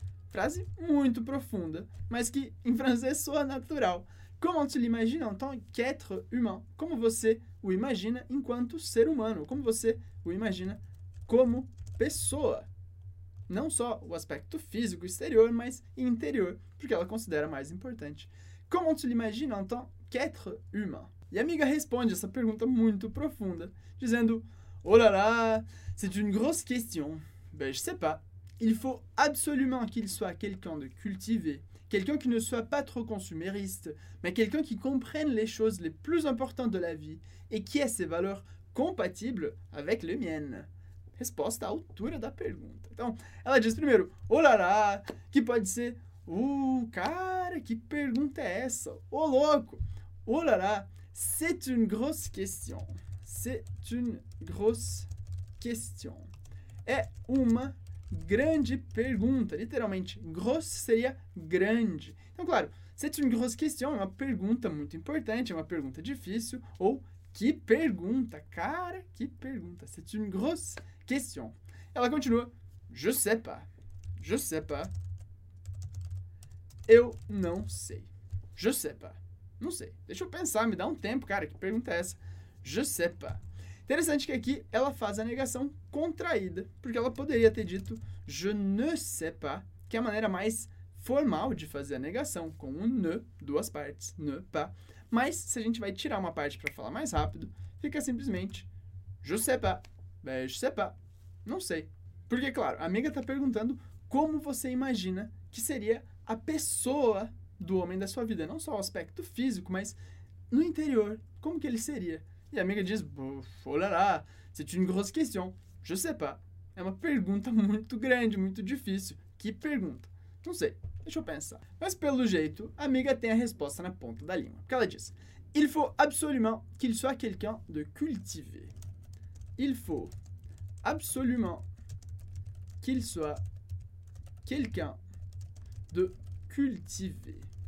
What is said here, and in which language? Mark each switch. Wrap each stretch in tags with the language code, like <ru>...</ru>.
<pt>Frase muito profunda, mas que em francês soa natural.</pt> <fr>Comment tu l'imagines en tant qu'être humain?</fr> <pt>Como você o imagina enquanto ser humano? Como você o imagina como pessoa? Não só o aspecto físico exterior, mas interior, porque ela considera mais importante.</pt> <fr>Comment tu l'imagines en tant qu'être humain?</fr> <pt>E a amiga responde essa pergunta muito profunda, dizendo:</pt> <fr>Oh là là, c'est une grosse question. Ben, je sais pas. Il faut absolument qu'il soit quelqu'un de cultivé, quelqu'un qui ne soit pas trop consumériste, mais quelqu'un qui comprenne les choses les plus importantes de la vie et qui ait ses valeurs compatibles avec les miennes.</fr> <pt>Resposta à altura da pergunta. Então, ela diz primeiro, oh là là, que pode ser, cara, que pergunta é essa?</pt> <fr>Oh louco, oh là là, c'est une grosse question. C'est une grosse question.</fr> <pt>É uma grande pergunta, literalmente. Grosse seria grande. Então, claro,</pt> <fr>c'est une grosse question</fr> <pt>é uma pergunta muito importante, é uma pergunta difícil. Ou, que pergunta, cara, que pergunta.</pt> <fr>C'est une grosse question.</fr> <pt>Ela continua,</pt> <fr>je sais pas, je sais pas.</fr> <pt>Eu não sei,</pt> <fr>je sais pas,</fr> <pt>não sei. Deixa eu pensar, me dá um tempo, cara, que pergunta é essa?</pt> <fr>Je sais pas.</fr> <pt>Interessante que aqui ela faz a negação contraída, porque ela poderia ter dito</pt> <fr>je ne sais pas,</fr> <pt>que é a maneira mais formal de fazer a negação, com o ne, duas partes, ne, pas. Mas se a gente vai tirar uma parte para falar mais rápido, fica simplesmente</pt> <fr>je sais pas, ben, je sais pas,</fr> <pt>não sei. Porque, claro, a amiga está perguntando como você imagina que seria a pessoa do homem da sua vida, não só o aspecto físico, mas no interior, como que ele seria? E a amiga diz,</pt> <fr>oh là là, c'est une grosse question, je sais pas.</fr> <pt>É uma pergunta muito grande, muito difícil. Que pergunta? Não sei, deixa eu pensar. Mas pelo jeito, a amiga tem a resposta na ponta da língua. Porque ela diz,</pt> <fr>il faut absolument qu'il soit quelqu'un de cultivé. Il faut absolument qu'il soit quelqu'un de cultivé.</fr>